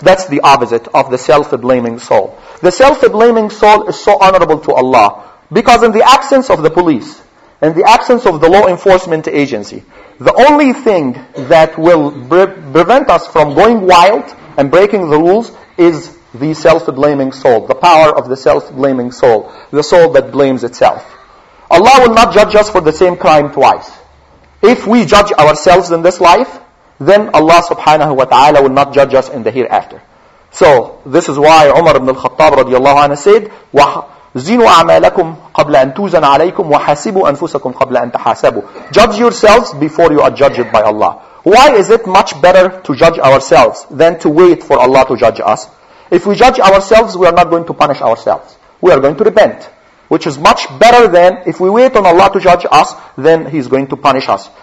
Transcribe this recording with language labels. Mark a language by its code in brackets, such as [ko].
[en] That's the opposite of the self-blaming soul. The self-blaming soul is so honorable to Allah because in the absence of the police, in the absence of the law enforcement agency, the only thing that will prevent us from going wild and breaking the rules is the self-blaming soul, the power of the self-blaming soul, the soul that blames itself. Allah will not judge us for the same crime twice. If we judge ourselves in this life, then Allah subhanahu wa ta'ala will not judge us in the hereafter. So, this is why Umar ibn al-Khattab radiallahu anhu said, [ar] وَزِنُوا أَعْمَالَكُمْ قَبْلَ أَن تُوزَنَ عَلَيْكُمْ وَحَاسِبُوا أَنفُسَكُمْ قَبْلَ أَن تَحَاسَبُوا. [en] Judge yourselves before you are judged by Allah. Why is it much better to judge ourselves than to wait for Allah to judge us? If we judge ourselves, we are not going to punish ourselves. We are going to repent, which is much better than if we wait on Allah to judge us, then He's going to punish us.